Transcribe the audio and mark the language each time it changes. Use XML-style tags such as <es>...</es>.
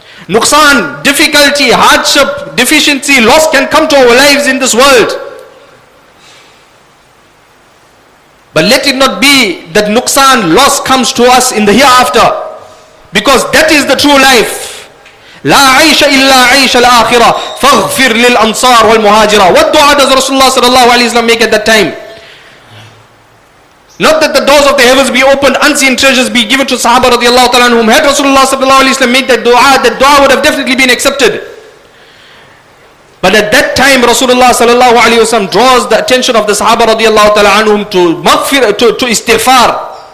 <en>Nuqsan, difficulty, hardship, deficiency, loss can come to our lives in this world. But let it not be that nuqsan, loss comes to us in the hereafter. Because that is the true life.</en> <ar>لا عيش إلا عيش الآخرة فاغفر للأنصار والمهاجرة.</ar> <en>What dua does Rasulullah sallallahu alayhi wa sallam make at that time? Not that the doors of the heavens be opened, unseen treasures be given to Sahaba radiallahu ta'ala anhum. Had Rasulullah sallallahu alayhi wa sallam made that dua would have definitely been accepted. But at that time, Rasulullah sallallahu alayhi wa sallam draws the attention of the Sahaba radiallahu ta'ala anhum to istighfar.</en>